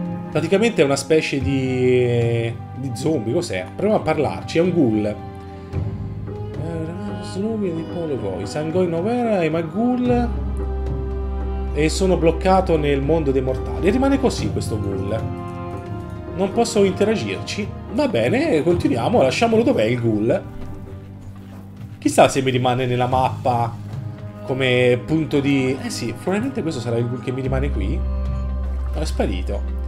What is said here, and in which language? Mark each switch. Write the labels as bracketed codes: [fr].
[it] Praticamente è una specie di zombie, cos'è? Proviamo a parlarci, è un ghoul. [en] I'm going nowhere, I'm a ghoul. [it] E sono bloccato nel mondo dei mortali. E rimane così questo ghoul. Non posso interagirci. Va bene, continuiamo, lasciamolo dov'è il ghoul. Chissà se mi rimane nella mappa come punto di... Eh sì, probabilmente questo sarà il ghoul che mi rimane qui. No, è sparito.